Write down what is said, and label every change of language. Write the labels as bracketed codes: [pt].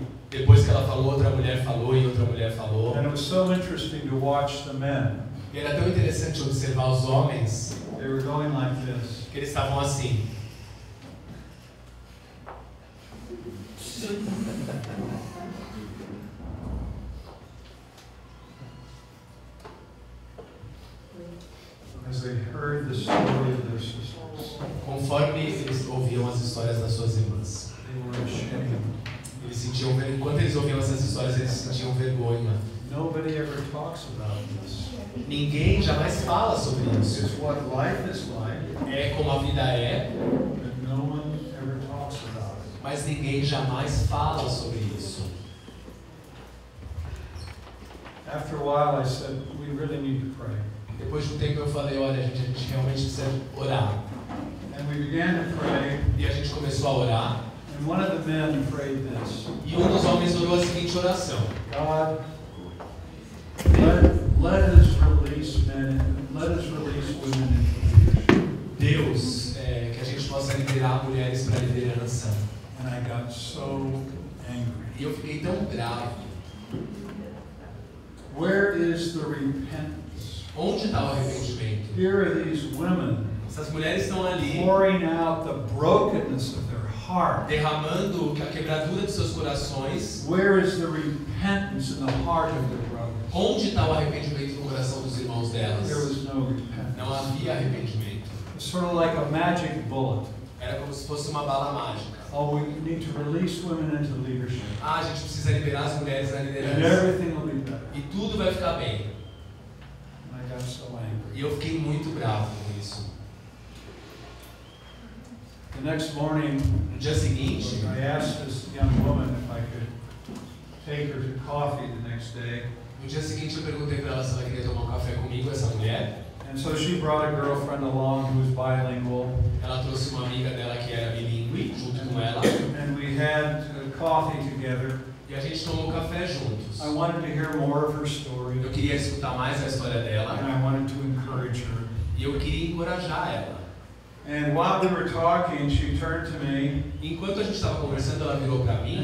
[pt] Depois que ela falou, outra mulher falou e outra mulher falou. [en] And it was so interesting to watch the men. [pt] E era tão interessante observar os homens. [en] They were going like this. [pt] Que eles estavam assim. [en] As they heard the story of their sisters. [pt] Conforme eles ouviam as histórias das suas irmãs. [en] They were ashamed. [pt] Eles sentiam, enquanto eles ouviam essas histórias, eles sentiam vergonha. [en] Nobody ever talks about this. [pt] Ninguém jamais fala sobre isso. [en] It's what life is like, [pt] é como a vida é. [en] But no one ever talks about it. [pt] Mas ninguém jamais fala sobre isso. [en] After a while, I said, we really need to pray. [pt] Depois de um tempo eu falei, olha, a gente realmente precisa orar. [en] And we began to pray. [pt] E a gente começou a orar. [en] And one of the men prayed this. [pt] E um dos homens orou a seguinte oração. [en] God, let us release men, let us release women into leadership. [pt] Deus, que a gente possa liberar mulheres para liderança. [en] And I got so angry. [pt] E eu fiquei tão bravo. [en] Where is the repentance? [pt] Onde está o arrependimento? [en] Here are these women. [pt] Essas mulheres estão ali. [en] Pouring out the brokenness of their heart, [pt] derramando a quebradura de seus corações. [en] Where is the repentance in the heart of their brothers? [pt] Onde está o arrependimento no coração dos irmãos delas? [en] There was no repentance. [pt] Não havia arrependimento. [en] Sort of like a magic bullet. [pt] Era como se fosse uma bala mágica. [en] Oh, we need to release women into leadership. [pt] Ah, a gente precisa liberar as mulheres na liderança. [en] And everything will be better. [pt] E tudo vai ficar bem. [en] I got so angry. [pt] E eu fiquei muito bravo com isso. [en] The next morning, I asked this young woman if I could take her to coffee the next day. [pt] No dia seguinte, eu perguntei para ela se ela queria tomar um café comigo, essa mulher. [en] And so she brought a girlfriend along who was bilingual. [pt] Ela trouxe uma amiga dela que era bilíngue junto com ela. [en] And we had coffee together. [pt] E a gente tomou café juntos. [en] I wanted to hear more of her story. [pt] Eu queria escutar mais a história dela. [en] And I wanted to encourage her. [pt] E eu queria encorajar ela. [en] And while they were talking, she turned to me. [pt] Enquanto a gente estava conversando, ela virou para mim.